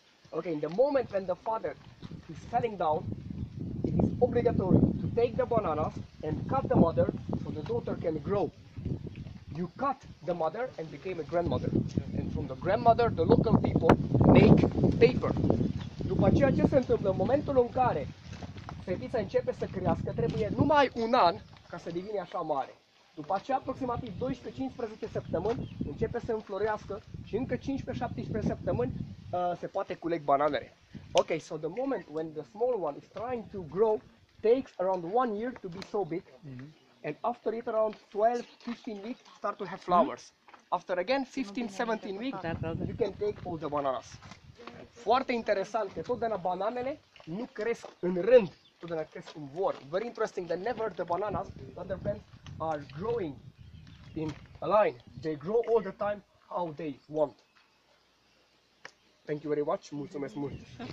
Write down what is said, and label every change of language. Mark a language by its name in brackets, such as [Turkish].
[English] Ok, in the moment when the father is falling down, it is obligatory to take the bananas and cut the mother so the daughter can grow. You cut the mother and became a grandmother. And from the grandmother, the local people make paper. [Romanian] După aceea ce se întâmplă? În momentul în care fetița începe să crească, trebuie numai un an ca să devine așa mare. După aceea, aproximativ 12-15 săptămâni, începe să înflorească și încă 15-17 săptămâni se poate culeg bananele. [English] Ok, so the moment when the small one is trying to grow takes around 1 year to be so big. And after it around 12-15 weeks start to have flowers. After again 15-17 weeks you can take all the bananas. [Romanian] Foarte interesant că totdeauna bananele nu cresc în rând, totdeauna cresc în vor. [English] Very interesting that never the bananas, the other plants are growing in a line. They grow all the time how they want. Thank you very much. [Romanian] Mulțumesc mult.